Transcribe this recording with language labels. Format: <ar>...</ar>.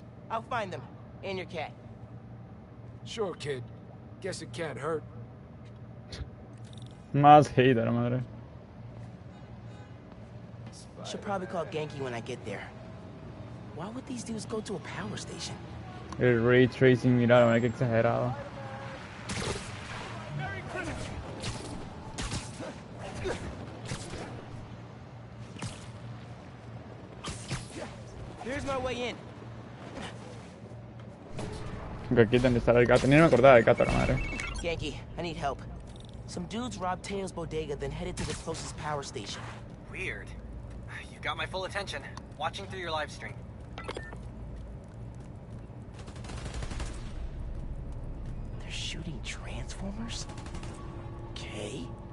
<en>I'll find them. And your cat. Sure, kid. Guess it can't hurt.</en> <es>Más hater, madre.</es> <en>Should probably call Genki when I get there. Why would these dudes go to a power station?</en> <es>El ray tracing, mira, no hay que exagerado.</es> <en>Here's my way in.</en> <es>Aquí tiene que estar el gato. Ni me acordaba del gato, la madre.</es> <en>Genki, I need help. Some dudes robbed Tails Bodega, then headed to the closest power station. Weird. You got my full attention. Watching through your live stream. shooting transformers? Okay.</en>